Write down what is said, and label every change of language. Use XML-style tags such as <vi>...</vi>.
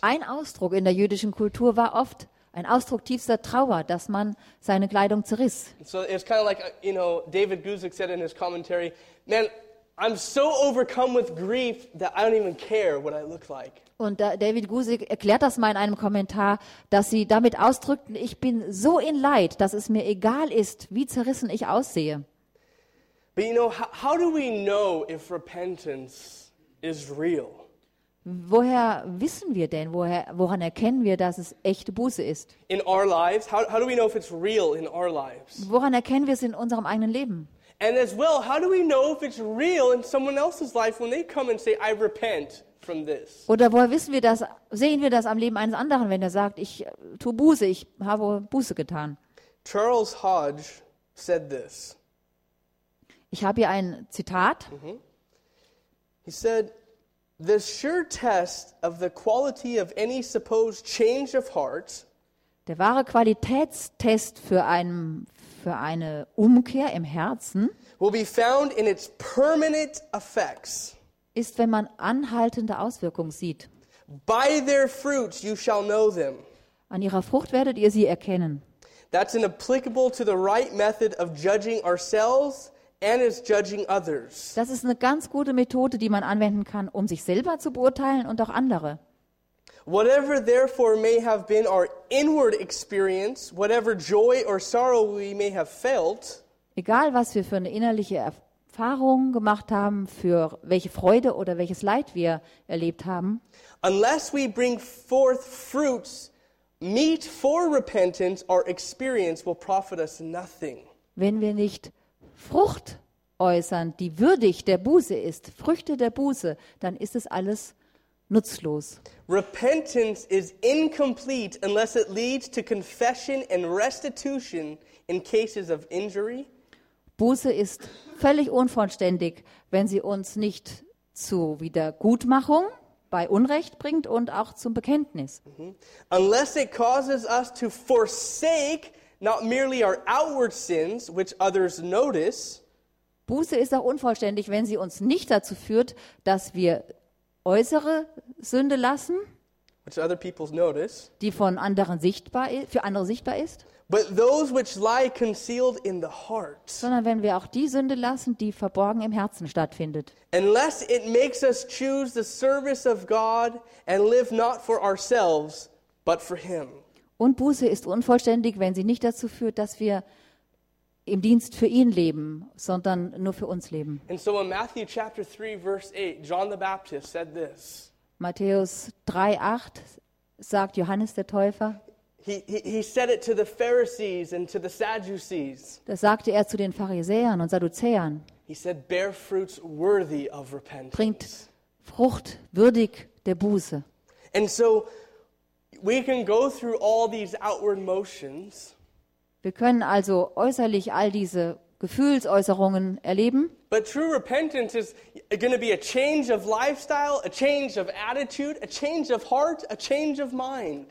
<de>Ein Ausdruck in der jüdischen Kultur war oft ein Ausdruck tiefster Trauer, dass man seine Kleidung zerriss.</de> <en>So it's kind of like, you know, David Guzik said in his commentary, man, I'm so overcome with grief that I don't even care what I look like.</en> <de>Und David Guzik erklärt das mal in einem Kommentar, dass sie damit ausdrückten, ich bin so in Leid, dass es mir egal ist, wie zerrissen ich aussehe.</de> <en>But you know, how do we know if repentance is real?</en> <de>Woher wissen wir denn, woran erkennen wir, dass es echte Buße ist?</de> <en>In our lives, how do we know if it's real in our lives?</en> <de>Woran erkennen wir es in unserem eigenen Leben?</de> <en>And as well, how do we know if it's real in someone else's life when they come and say, I repent from this?</en> <de>Oder woher wissen wir das, sehen wir das am Leben eines anderen, wenn er sagt, ich tue Buße, ich habe Buße getan?</de> <en>Charles Hodge said this.</en> <de>Ich habe hier ein Zitat.</de> <en>He said, the sure test of the quality of any supposed change of heart,</en> <de>der wahre Qualitätstest für eine Umkehr im Herzen,</de> <en>will be found in its permanent effects,</en> <de>ist, wenn man anhaltende Auswirkungen sieht.</de> <en>By their fruits you shall know them.</en> <de>An ihrer Frucht werdet ihr sie erkennen.</de> <en>That's an applicable to the right method of judging ourselves and is judging others.</en> <de>Das ist eine ganz gute Methode, die man anwenden kann, um sich selber zu beurteilen und auch andere.</de> <en>Whatever therefore may have been our inward experience, whatever joy or sorrow we may have felt,</en> <de>egal was wir für eine innerliche Erfahrung gemacht haben, für welche Freude oder welches Leid wir erlebt haben,</de> <en>unless we bring forth fruits meet for repentance, our experience will profit us nothing.</en> <de>Wenn wir nicht Frucht äußern, die würdig der Buße ist, Früchte der Buße, dann ist es alles nutzlos.</de> <en>Repentance is incomplete unless it leads to confession and restitution in cases of injury.</en> <de>Buße ist völlig unvollständig, wenn sie uns nicht zu Wiedergutmachung bei Unrecht bringt und auch zum Bekenntnis.</de> <en>Unless it causes us to forsake not merely our outward sins, which others notice.</en> <de>Buße ist auch unvollständig, wenn sie uns nicht dazu führt, dass wir äußere Sünde lassen,</de> <en>which other people notice,</en> <de>die von anderen sichtbar ist, für andere sichtbar ist.</de> <en>But those which lie concealed in the heart.</en> <de>Sondern wenn wir auch die Sünde lassen, die verborgen im Herzen stattfindet.</de> <en>Unless it makes us choose the service of God and live not for ourselves, but for Him.</en> <de>Und Buße ist unvollständig, wenn sie nicht dazu führt, dass wir im Dienst für ihn leben, sondern nur für uns leben.</de> <en>And so in Matthew chapter 3, verse 8, John the Baptist said this.</en> <de>Matthäus 3, 8 sagt Johannes der Täufer.</de> <en>He said it to the Pharisees and to the Sadducees.</en> <de>Das sagte er zu den Pharisäern und Sadduzäern.</de> <en>He said, bear fruits worthy of repentance.</en> <de>Bringt Frucht würdig der Buße.</de> <en>And so we can go through all these outward motions.</en> <de>Wir können also äußerlich all diese Gefühlsäußerungen erleben.</de> <en>But true repentance is going to be a change of lifestyle, a change of attitude, a change of heart, a change of mind.</en>